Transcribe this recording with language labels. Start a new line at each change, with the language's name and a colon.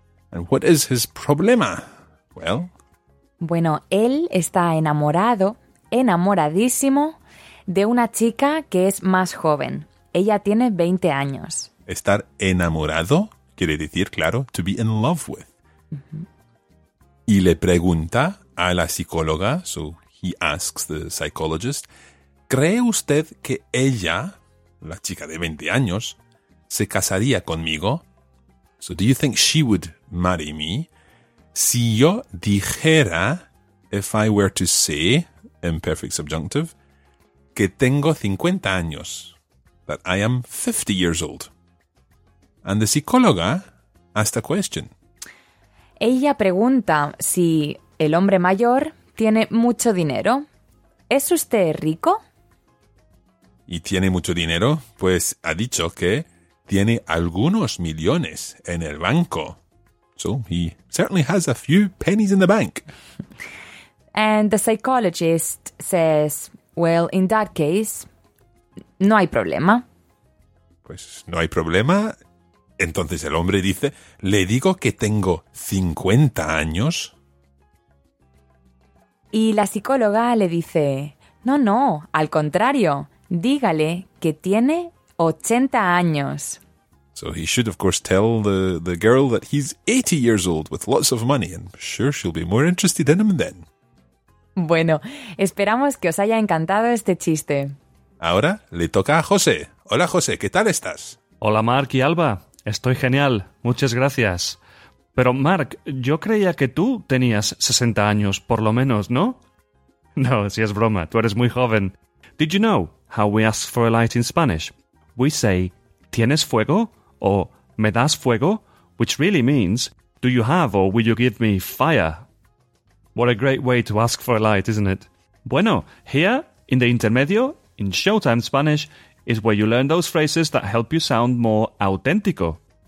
English: And what is his problema? Well,
Spanish: bueno, él está enamorado, enamoradísimo, de una chica que es más joven. Ella tiene 20 años. Estar enamorado quiere decir, claro,
English: to be in love with.
Spanish: Y le pregunta a la psicóloga,
English: so he asks the psychologist,
Spanish: ¿cree usted que ella, la chica de 20 años, se casaría conmigo?
English: So do you think she would marry me?
Spanish: Si yo dijera,
English: if I were to say, in perfect subjunctive,
Spanish: que tengo 50 años,
English: that I am 50 years old. And the psicóloga asked a question.
Spanish: Ella pregunta si el hombre mayor tiene mucho dinero. ¿Es usted rico? ¿Y tiene mucho dinero? Pues ha dicho que tiene algunos millones en el banco.
English: So he certainly has a few pennies in the bank. And the psychologist says, well, in that case,
Spanish: no hay problema. Pues no hay problema. Entonces el hombre dice, le digo que tengo 50 años. Y la psicóloga le dice, no, no, al contrario, dígale que tiene 80 años.
English: So he should, of course, tell the girl that he's 80 years old with lots of money. And sure, she'll be more interested in him then.
Spanish: Bueno, esperamos que os haya encantado este chiste. Ahora le toca a José. Hola, José, ¿qué tal estás? Hola, Mark y Alba. Estoy genial. Muchas gracias. Pero, Mark, yo creía que tú tenías 60 años, por lo menos, ¿no? No, si es broma, tú eres muy joven.
English: Did you know how we ask for a light in Spanish? We say,
Spanish: ¿tienes fuego? O, ¿me das fuego?
English: Which really means, do you have or will you give me fire? What a great way to ask for a light, isn't it? Bueno, here, in the intermedio, in Showtime Spanish, is where you learn those phrases that help you sound more auténtico.